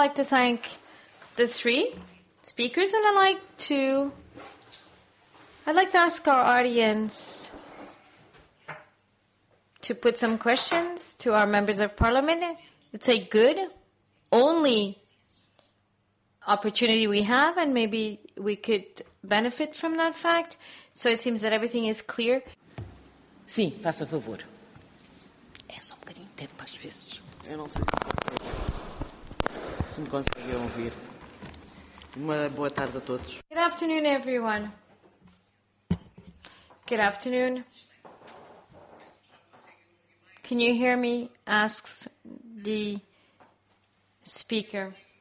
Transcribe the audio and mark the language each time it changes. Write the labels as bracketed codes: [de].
[en] I'd like to thank the three speakers, and I'd like to ask our audience to put some questions to our members of parliament. It's a good only opportunity we have, and maybe we could benefit from that fact. So it seems that everything is clear. [pt] Sim, faça favor. É só um bocadinho de tempo às vezes. Eu não sei se me conseguem ouvir. Uma boa tarde a todos. [en] Good afternoon, everyone. Good afternoon. Can you hear me? Asks the speaker.